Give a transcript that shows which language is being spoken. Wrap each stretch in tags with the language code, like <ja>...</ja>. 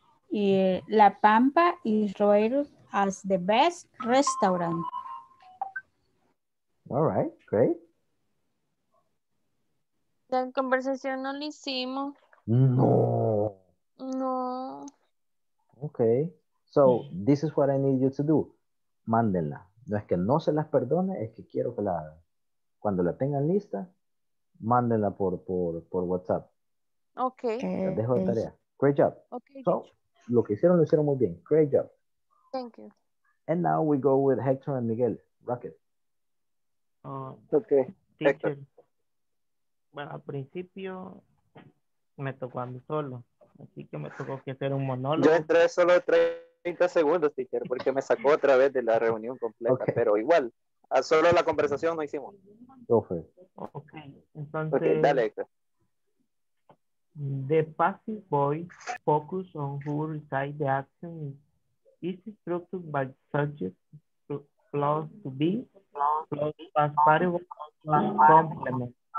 <en>La Pampa is rated as the best restaurant. All right, great.</en> <es>La conversación no la hicimos. No. No.</es> <en>Okay. So, this is what I need you to do.</en> <es>Mándenla. No es que no se las perdone, es que quiero que la hagan. Cuando la tengan lista, mándenla por WhatsApp.</es> <en>Okay.</en> <es>Les dejo la tarea.</es> <en>Great job. Okay.</en> <es>So, lo que hicieron, lo hicieron muy bien.</es> <en>Great job. Thank you. And now we go with Hector and Miguel. Rocket. Okay. Teacher.</en> <es>Bueno, al principio me tocó a mí solo. Así que me tocó que hacer un monólogo. Yo entré solo 30 segundos, teacher, porque me sacó otra vez de la reunión completa. Okay. Pero igual, a solo la conversación no hicimos.</es> <en>Okay. Okay. Entonces, okay,</en> <es>dale, Hector.</es> <en>The passive voice focus on who recites the action is structured by subject plus to be plus past participle plus complement.</en>